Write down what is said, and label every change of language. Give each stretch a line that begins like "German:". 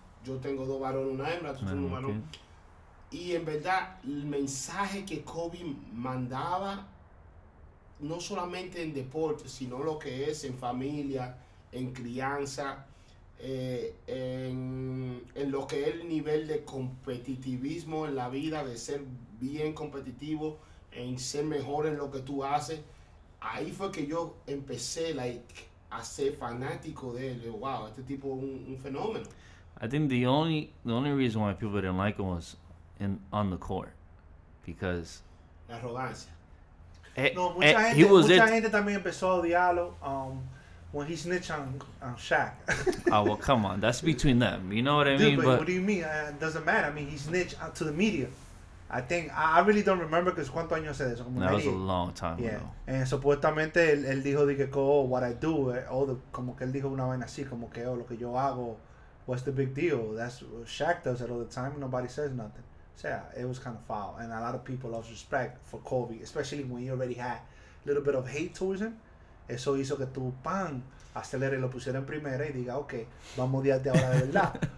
Spanish: Yo tengo dos varones, una hembra, tú tienes un varón. Okay. Y en verdad, el mensaje que Kobe mandaba, no solamente en deporte, sino lo que es en familia, en crianza, en lo que es el nivel de competitivismo en la vida, de ser bien competitivo, en ser mejor en lo que tú haces. Ahí fue que yo empecé like, a ser fanático de él. Yo, wow, este tipo es un fenómeno.
English: I think the only reason why people didn't like him was on the court, because
Spanish: la arrogancia. Mucha gente también empezó a odiarlo
English: when he snitched on Shaq. Oh, well, come on. That's between them. You know what I mean? But what do you mean? It doesn't matter. I mean, he snitched to the media. I think, I really don't remember because
Spanish: ¿cuántos años hace de eso?
English: That was a long time ago.
Spanish: And supuestamente él dijo de que, oh,
English: what I do,
Spanish: oh, the, como que él dijo una vaina así, como que, oh, lo que yo hago,
English: what's the big deal? That's Shaq does it all the time. Nobody says nothing. So, yeah, it was kind of foul. And a lot of people lost respect for Kobe, especially when he already had a little bit of hate towards him.
Spanish: Eso hizo que tu pan acelere y lo pusiera en primera y diga, okay, vamos a odiarte ahora de verdad.